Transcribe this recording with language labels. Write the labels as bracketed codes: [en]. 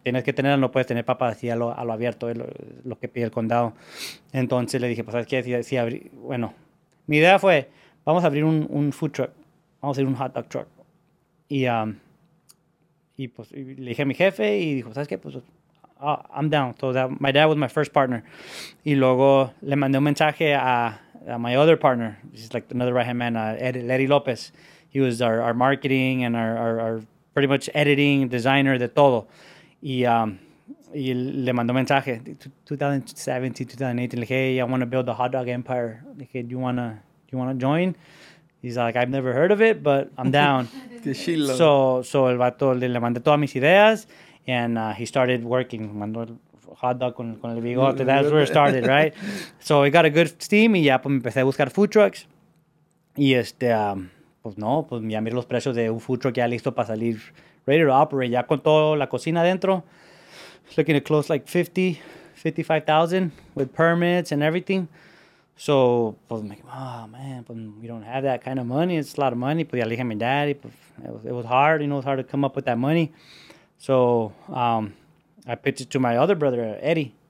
[es] Tienes que tenerla, no puedes tener papas así a lo abierto, es lo que pide el condado. Entonces, le dije, pues, ¿sabes qué? Bueno, mi idea fue... Vamos a abrir un food truck. Vamos a abrir un hot dog truck. Y pues y le dije a mi jefe y dijo, ¿sabes qué? Pues [en] I'm down. So that my dad was my first partner. [es] Y luego le mandé un mensaje a [en] my other partner. He's like another right-hand man, Eddie López. He was our marketing and our pretty much editing designer [es] de todo. Y le mandó un mensaje. 2017, 2018. Le dije, [en] hey, I want to build a hot dog empire. Le dije, do you want to join? He's like, I've never heard of it, but I'm down. [es] so el vato le mandé todas mis ideas, [en] and he started working. [es] Mandó el hot dog con el bigote. [en] That's where it started, right? So I got a good steam, [es] y ya pues me empecé a buscar [en] food trucks. [es] Y pues no, pues ya miré los precios de un food truck ya listo para salir, [en] ready to operate, [es] ya con toda la cocina adentro. [en] Looking at close like 55,000 with permits and everything. So, pues, I'm like, oh, man, pues, we don't have that kind of money. It's a lot of money. [es] Pues, ya le dije a mi daddy, [en] pues, it was hard. You know, it's hard to come up with that money. So, I pitched it to my other brother, Eddie.